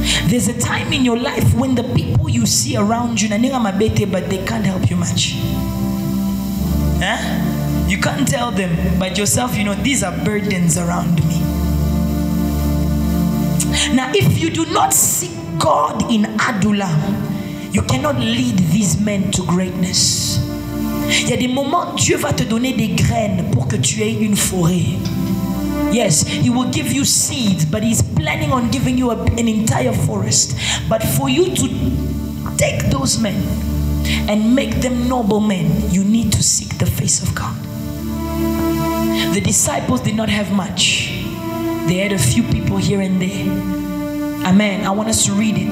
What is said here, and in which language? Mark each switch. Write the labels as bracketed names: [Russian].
[English] There's a time in your life when the people you see around you, [Lingala] nanga mabete, [English] but they can't help you much. Huh? You can't tell them, but yourself, you know, these are burdens around me. Now, if you do not seek God in Adullam, you cannot lead these men to greatness. [French] Il y a des moments Dieu va te donner des graines pour que tu aies une forêt. [English] Yes, he will give you seeds, but he's planning on giving you an entire forest. But for you to take those men and make them noble men, you need to seek the face of God. The disciples did not have much. They had a few people here and there. Amen. I want us to read it.